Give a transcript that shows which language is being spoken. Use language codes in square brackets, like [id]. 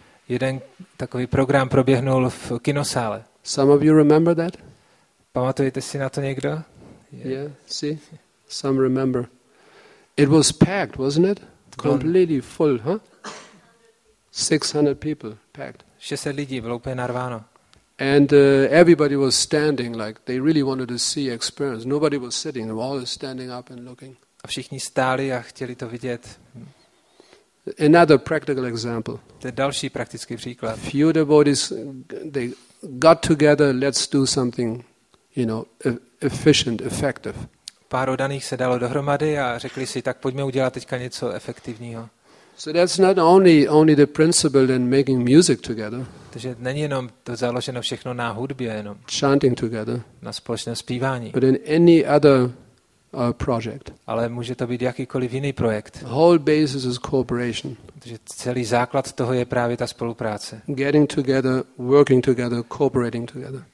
[cs] Jeden takový program proběhnul v kinosále. [en] Some of you remember that? [cs] Pamatujete si na to někdo? [en] Yeah, see? Some remember. It was packed, wasn't it? Completely full, huh? 600 people packed. [cs] 600 lidí bylo úplně narváno. [en] And everybody was standing, like they really wanted to see experience. Nobody was sitting, they were all standing up and looking. [cs] A všichni stáli a chtěli to vidět. [en] Another practical example. [cs] To je další praktický příklad. [en] Few devotees, they got together, let's do something, you know, efficient, effective. [cs] Pár oddaných se dalo dohromady a řekli si, tak pojďme udělat teďka něco efektivního. [en] So that's not only the principle in making music together. [cs] Takže není jenom to založeno všechno na hudbě, jenom [en] chanting together. [cs] Na společném zpívání. [en] But in any other project. [cs] Ale může to být jakýkoliv jiný projekt. [en] The whole basis is cooperation. [cs] Takže celý základ toho je právě ta spolupráce. [en] Getting together, working together, cooperating together.